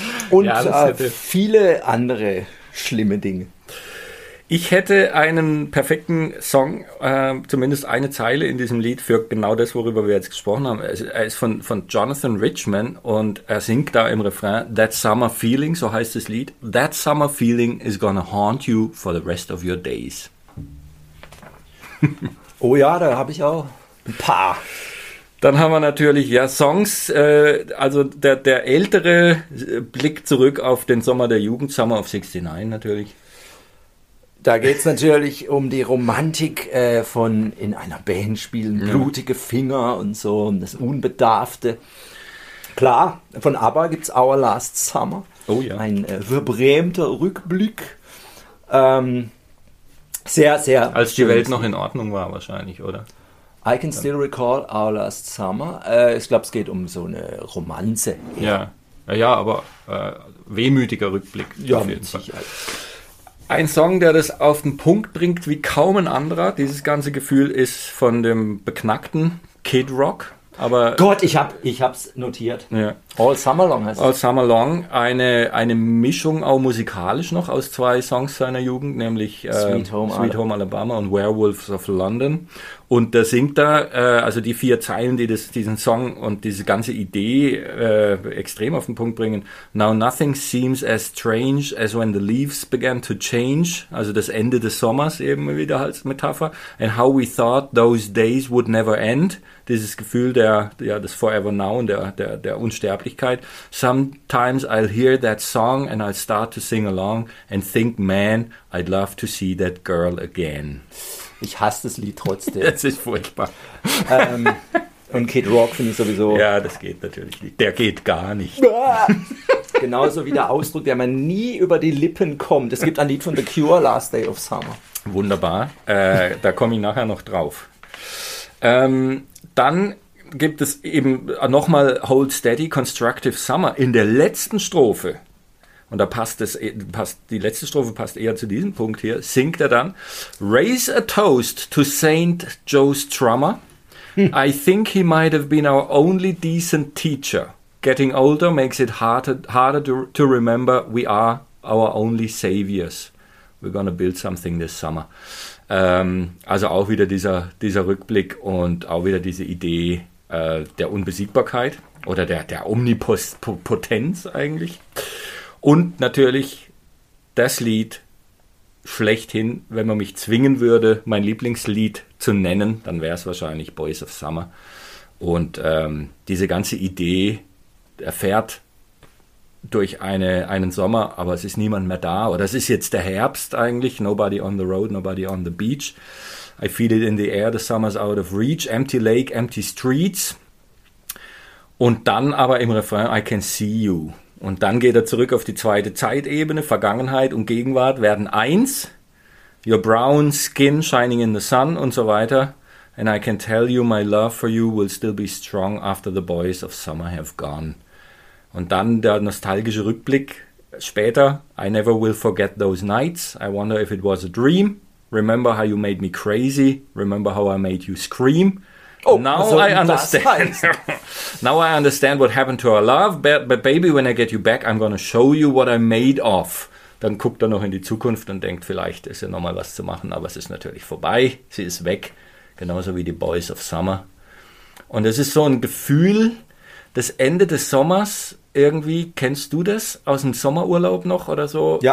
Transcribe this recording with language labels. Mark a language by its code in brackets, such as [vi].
[de] Und ja, viele andere schlimme Dinge. Ich hätte einen perfekten Song, zumindest eine Zeile in diesem Lied für genau das, worüber wir jetzt gesprochen haben. Er ist von Jonathan Richman und er singt da im Refrain That Summer Feeling, so heißt das Lied. [en] That Summer Feeling is gonna haunt you for the rest of your days. [de] Oh ja, da habe ich auch ein paar. Dann haben wir natürlich ja Songs, also der ältere Blick zurück auf den Sommer der Jugend, Summer of 69 natürlich. Da geht es natürlich um die Romantik von in einer Band spielen, blutige Finger und so, und das Unbedarfte. Klar, von ABBA gibt es Our Last Summer, ein verbrämter Rückblick. Sehr, sehr. Als die Welt noch in Ordnung war wahrscheinlich, oder? [en] I can still recall our last summer. [de] Ich glaube, es geht um so eine Romanze. Ja, ja, ja, aber wehmütiger Rückblick. Ja, auf jeden Fall. Ein Song, der das auf den Punkt bringt wie kaum ein anderer. Dieses ganze Gefühl ist von dem beknackten Kid Rock. Aber Gott, ich hab's notiert. Ja. All Summer Long heißt es. All Summer Long, eine Mischung auch musikalisch noch aus zwei Songs seiner Jugend, nämlich Sweet Home Alabama und Werewolves of London. Und da singt er, also die vier Zeilen, die diesen Song und diese ganze Idee extrem auf den Punkt bringen. [en] Now nothing seems as strange as when the leaves began to change. [de] Also das Ende des Sommers eben wieder als Metapher. [en] And how we thought those days would never end. [de] Dieses Gefühl des Forever Now und der Unsterblichkeit. [en] Sometimes I'll hear that song and I'll start to sing along and think, man, I'd love to see that girl again. [de] Ich hasse das Lied trotzdem. Das ist furchtbar. Und Kid Rock finde ich sowieso... Ja, das geht natürlich nicht. Der geht gar nicht. Genauso wie der Ausdruck, der mir nie über die Lippen kommt. Es gibt ein Lied von The Cure, Last Day of Summer. Wunderbar. Da komme ich nachher noch drauf. Dann gibt es eben nochmal Hold Steady, Constructive Summer in der letzten Strophe. Und da passt die letzte Strophe eher zu diesem Punkt hier, singt er dann, [en] raise a toast to St. Joe's drummer. I think he might have been our only decent teacher. Getting older makes it harder to remember we are our only saviors. We're gonna build something this summer. [de] Also auch wieder dieser Rückblick und auch wieder diese Idee der Unbesiegbarkeit oder der Omnipotenz eigentlich. Und natürlich das Lied schlechthin, wenn man mich zwingen würde, mein Lieblingslied zu nennen, dann wäre es wahrscheinlich Boys of Summer. Und diese ganze Idee erfährt durch einen Sommer, aber es ist niemand mehr da. Oder es ist jetzt der Herbst eigentlich, [en] nobody on the road, nobody on the beach. [de] I feel it in the air, the summer's out of reach, empty lake, empty streets. Und dann aber im Refrain, [en] I can see you. [de] Und dann geht er zurück auf die zweite Zeitebene. Vergangenheit und Gegenwart werden eins. [en] Your brown skin shining in the sun [de] und so weiter. [en] And I can tell you my love for you will still be strong after the boys of summer have gone. [de] Und dann der nostalgische Rückblick später. [en] I never will forget those nights. I wonder if it was a dream. Remember how you made me crazy. Remember how I made you scream. Oh, now I understand. Now I understand what happened to our love. But baby, when I get you back, I'm gonna show you what I'm made of. [de] Dann guckt er noch in die Zukunft und denkt, vielleicht ist ja nochmal was zu machen. Aber es ist natürlich vorbei. Sie ist weg. Genauso wie die Boys of Summer. Und es ist so ein Gefühl, das Ende des Sommers. Irgendwie, kennst du das aus dem Sommerurlaub noch oder so? Ja.